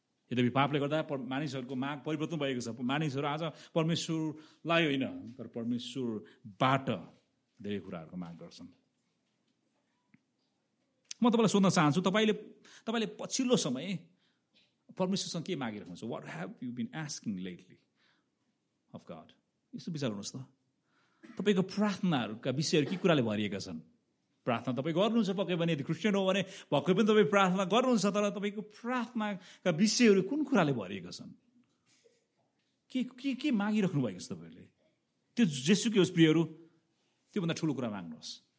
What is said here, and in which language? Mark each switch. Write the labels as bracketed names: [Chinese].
[Nepali] यद्यपि पापले गर्दा मानिसहरूको माग परिवर्तन भएको छ, मानिसहरू आज परमेश्वरलाई होइन तर परमेश्वरबाट धेरै कुराहरूको माग गर्छन्। म तपाईँलाई सोध्न चाहन्छु, तपाईँले पछिल्लो समय परमेश्वरसँग के मागिरहनुहुन्छ? [English] What have you been asking lately of God? [Nepali] यसो विचार गर्नुहोस् त, तपाईँको प्रार्थनाहरूका विषयहरू के कुराले भरिएका छन्? प्रार्थना तपाईँ गर्नुहुन्छ पक्कै पनि, यदि क्रिस्चियन हो भने पक्कै पनि तपाईँ प्रार्थना गर्नुहुन्छ, तर तपाईँको प्रार्थनाका विषयहरू कुन कुराले भरिएका छन्? के मागिराख्नु भएको छ तपाईँहरूले? त्यो जेसुकै होस् प्रियहरू, त्योभन्दा ठुलो कुरा माग्नुहोस्,